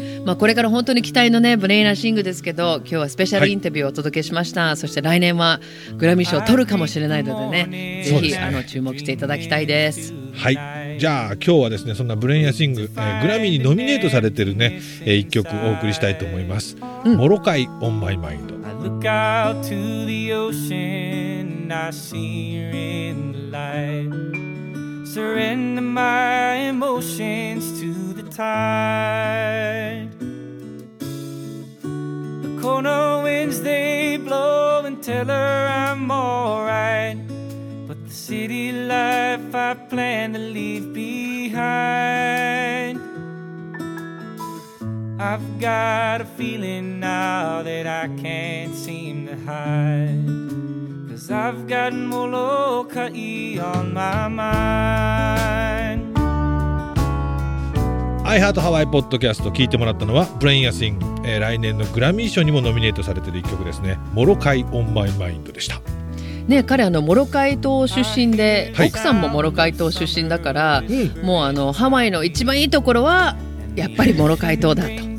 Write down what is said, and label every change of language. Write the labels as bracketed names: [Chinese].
[Japanese] まあ、これから本当に期待のねブレイン・ラシングですけど、今日はスペシャルインタビューをお届けしました、はい、そして来年はグラミー賞を取るかもしれないのでね、ぜひあの注目していただきたいです。はい、じゃあ今日はですね、そんなブレイン・ラシング、グラミーにノミネートされてるね、一曲お送りしたいと思います、うん、モロカイ On My Mind。 [English] I look out to the ocean I see you in the light Surrender my emotions to the tide The corner winds they blow and tell her I'm alrightCity life I plan to leave behind I've got a feeling now that I can't seem to hide Cause I've got Molokai on my mind。 [Japanese] アイハートハワイポッドキャスト、聞いてもらったのはブレインアシング、来年のグラミー賞にもノミネートされている一曲ですね、モロカイオンマイマインドでした。ね、彼あのモロカイ島出身で、はい、奥さんもモロカイ島出身だから、うん、もうあのハワイの一番いいところはやっぱりモロカイ島だと。